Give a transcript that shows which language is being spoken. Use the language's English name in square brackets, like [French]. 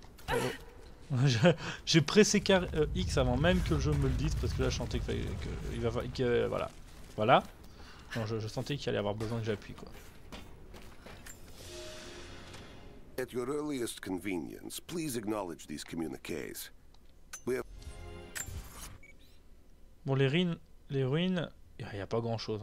[French] Oh. J'ai pressé X avant même que le jeu me le dise parce que là je sentais qu'il va falloir. Non, je sentais qu'il allait avoir besoin que j'appuie quoi. [English] At your earliest convenience, please acknowledge these communiques. [French] Bon, les ruines, il y a pas grand chose.